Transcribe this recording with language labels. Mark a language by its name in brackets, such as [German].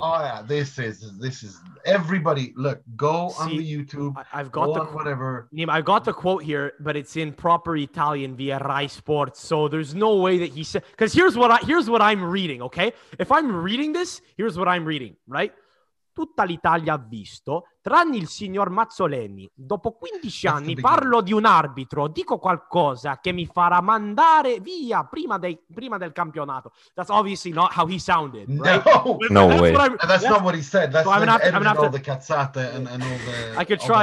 [English] Oh yeah, this is everybody. Look, on the YouTube. I've got the quote here, but it's in proper Italian via Rai Sports. So there's no way that he said. Because here's what I'm reading. Okay, if I'm reading this, here's what I'm reading. Right. [Italian] Tutta l'Italia ha visto, tranne il signor Mazzoleni. Dopo 15 anni parlo di un arbitro, dico qualcosa che mi farà mandare via prima del campionato. [English] That's obviously not how he sounded. Right? No, no way. That's not what he said. That's so like editing all the cazzate and all the...